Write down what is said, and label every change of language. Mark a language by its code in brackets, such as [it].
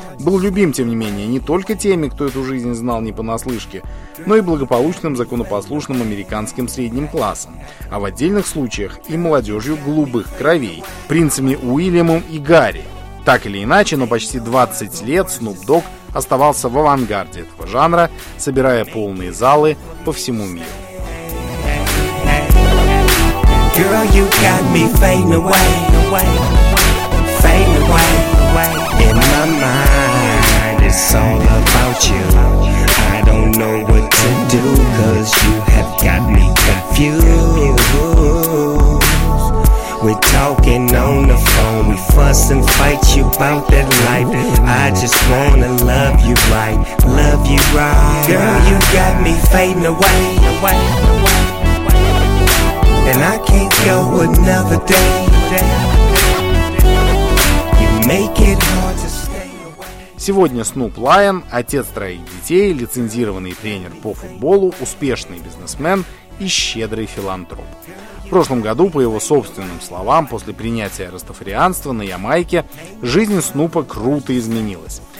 [ru] Был любим, тем не менее, не только теми, кто эту жизнь знал не понаслышке, но и благополучным, законопослушным американским средним классом, а в отдельных случаях и молодежью голубых кровей, принцами Уильямом и Гарри. Так или иначе, но почти 20 лет Снуп Дог оставался в авангарде этого жанра, собирая полные залы по всему миру. [en] Girl, you got me fading away, away, fading away, away. In my mind, it's all about you. I don't know what to do, 'cause you have got me confused. We're talking on the phone, we fuss and fight you about that life. I just wanna love you right, love you right. Girl, you got me fading away, away. And I can't go another day. You make it hard to stay away. [ru] Сегодня Снуп Лайон, отец троих детей, лицензированный тренер по футболу, успешный бизнесмен и щедрый филантроп. В прошлом году, по его собственным словам, после принятия растафарианства на Ямайке, жизнь Снупа круто изменилась.